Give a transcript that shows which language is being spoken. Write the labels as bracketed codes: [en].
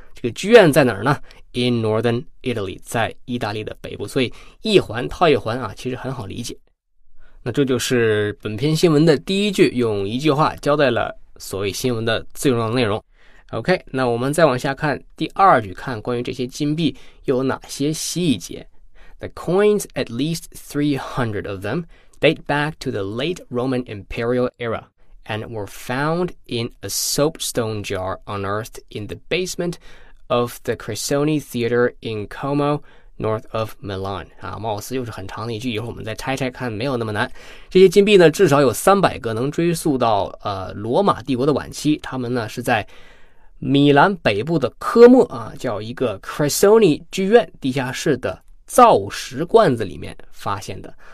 [zh] 这个剧院在哪儿呢？ [en] In northern Italy， [zh] 在意大利的北部。所以一环套一环啊，其实很好理解。那这就是本篇新闻的第一句，用一句话交代了所谓新闻的最重要的内容。 OK， 那我们再往下看第二句，看关于这些金币有哪些细节。 [en] The coins, at least 300 of them, date back to the late Roman imperial era and were found in a soapstone jar unearthed in the basement of the Cressoni Theater in Como, north of Milan. [zh] 啊，貌似又是很长的一句，以后我们再拆拆看，没有那么难。这些金币呢，至少有300个能追溯到罗马帝国的晚期，他们呢是在米兰北部的科莫啊，叫一个 Cressoni 剧院地下室的造石罐子里面发现的。